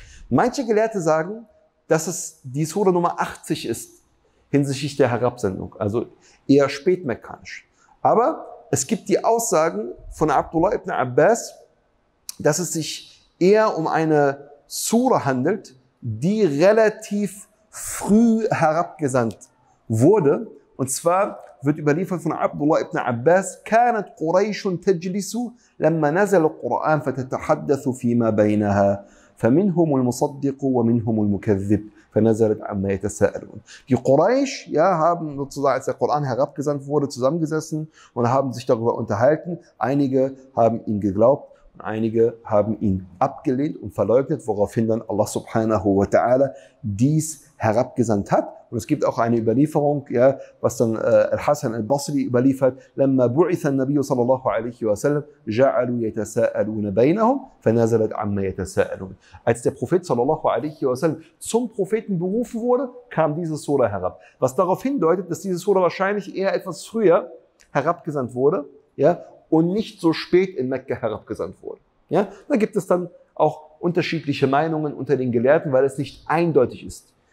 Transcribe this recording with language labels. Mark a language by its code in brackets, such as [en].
[de] Manche Gelehrte sagen, dass es die Sura Nummer 80 ist hinsichtlich der Herabsendung, also eher spätmekkanisch. Aber es gibt die Aussagen von Abdullah ibn Abbas, dass es sich eher um eine Sura handelt, die relativ früh herabgesandt wurde. Und zwar wird überliefert von Abdullah ibn Abbas, [ar] كانت قريش تجلس لما نزل القرآن فتتحدث فيما بينها فمنهم المصدق ومنهم المكذب فنزلت عما يتساءلون. [de] Die Quraysh, ja, haben sozusagen, als der Koran herabgesandt wurde, zusammengesessen und haben sich darüber unterhalten. Einige haben ihn geglaubt und einige haben ihn abgelehnt und verleugnet, woraufhin dann Allah subhanahu wa ta'ala dies herabgesandt hat. Und es gibt auch eine Überlieferung, ja, was dann Al-Hasan al-Basri überliefert, [ar] لما بعث النبي صلى الله عليه وسلم جعلوا يتساءلون بينهم فنزلت عما يتساءلون. [de] Als der Prophet [ar] صلى الله عليه وسلم [de] zum Propheten berufen wurde, kam diese Sura herab. Was darauf hindeutet, dass diese Sura wahrscheinlich eher etwas früher herabgesandt wurde, ja, und nicht so spät in Mekka herabgesandt wurde. Ja, da gibt es dann auch unterschiedliche Meinungen unter den Gelehrten, weil es nicht eindeutig ist.